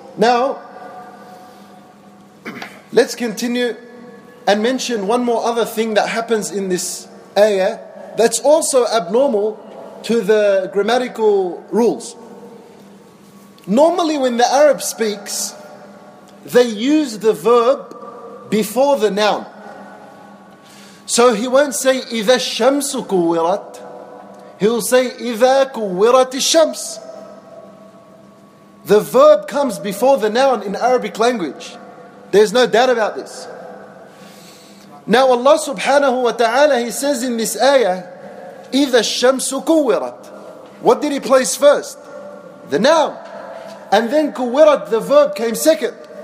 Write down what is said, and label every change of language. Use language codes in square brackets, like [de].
[en] Now, let's continue and mention one more other thing that happens in this ayah that's also abnormal to the grammatical rules. Normally when the Arab speaks, they use the verb before the noun. So he won't say, [ar] إِذَا الشَّمْسُ كُوِّرَتْ. [en] He'll say, [ar] إِذَا كُوِّرَتِ الشَّمْسُ. [en] The verb comes before the noun in Arabic language. There's no doubt about this. Now Allah subhanahu wa ta'ala, He says in this ayah, [ar] إِذَا الشَّمْسُ كُوِّرَتْ. [en] What did He place first? The noun. And then kuwirat, the verb, came second.